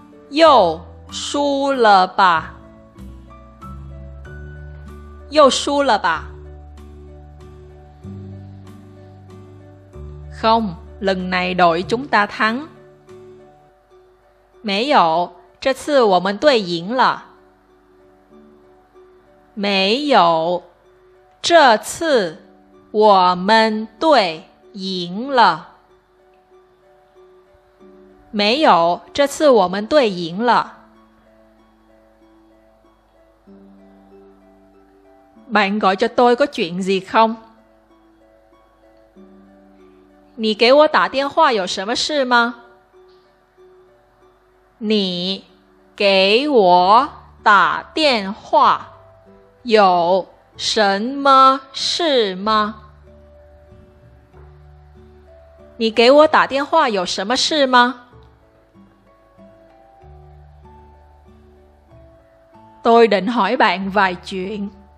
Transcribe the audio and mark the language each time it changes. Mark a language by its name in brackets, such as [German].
[Chinese] 又输了吧。又输了吧。 [Vietnamese] Không, lần này đội chúng ta thắng. [Chinese] 没有，这次我们队赢了。没有，这次我们队赢了。 [Vietnamese] Bạn gọi cho tôi có chuyện gì không? [Chinese] 你给我打电话有什么事吗? 你给我打电话有什么事吗? 你给我打电话有什么事吗? [Vietnamese] Tôi định hỏi bạn vài chuyện.